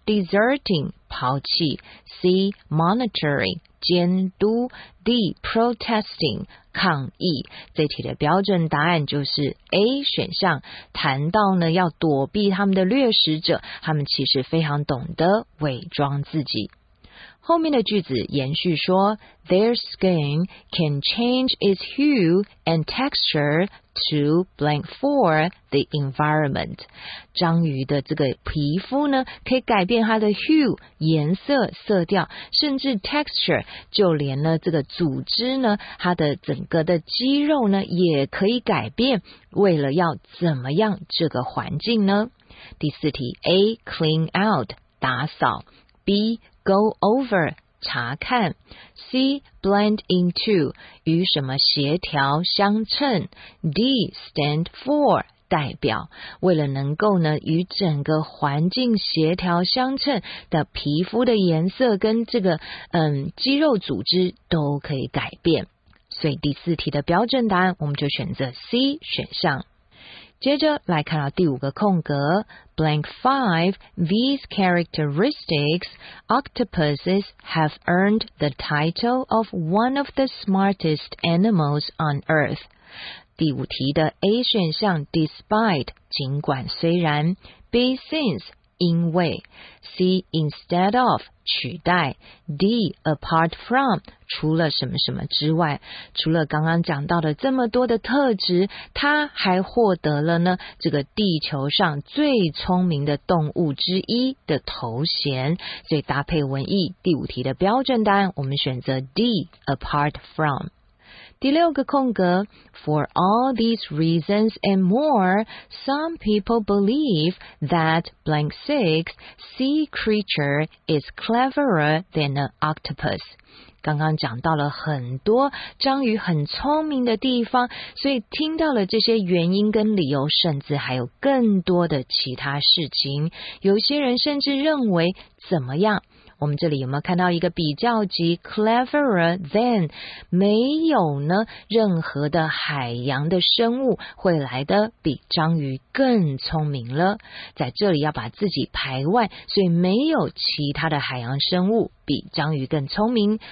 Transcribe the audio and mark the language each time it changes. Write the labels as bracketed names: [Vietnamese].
[Chinese] Deserting 抛弃。C. Monitoring 监督。D. Protesting 抗议。这题的标准答案就是 A 选项，谈到呢要躲避他们的掠食者，他们其实非常懂得伪装自己。后面的句子延续说 [English] Their skin can change its hue and texture to blank for the environment. [Chinese] 章鱼的这个皮肤呢可以改变它的 hue 颜色色调，甚至 texture 就连呢这个组织呢它的整个的肌肉呢也可以改变，为了要怎么样这个环境呢。第四题 A. Clean out 打扫。B. Go over, 查看。C, blend into, 与什么协调相称。 D, stand for, 代表。为了能够呢与整个环境协调相称的皮肤的颜色跟这个肌肉组织都可以改变。所以第四题的标准答案我们就选择 C 选项。接着来看到第五个空格 [English] blank 5 These characteristics octopuses have earned the title of one of the smartest animals on earth. [Chinese] 第五题的 A 选项 despite 尽管虽然， B since 因为， C instead of 取代， D apart from除了什么什么之外，除了刚刚讲到的这么多的特质，他还获得了呢这个地球上最聪明的动物之一的头衔。所以搭配文意，第五题的标准答案我们选择 D apart from。第六个空格 [English] For all these reasons and more, some people believe that blank six sea creature is cleverer than an octopus。 [Chinese] 刚刚讲到了很多章鱼很聪明的地方，所以听到了这些原因跟理由，甚至还有更多的其他事情。有些人甚至认为怎么样，我们这里有没有看到一个比较级 cleverer than， 没有呢任何的海洋的生物会来得比章鱼更聪明了，在这里要把自己排外，所以没有其他的海洋生物比章鱼更聪明。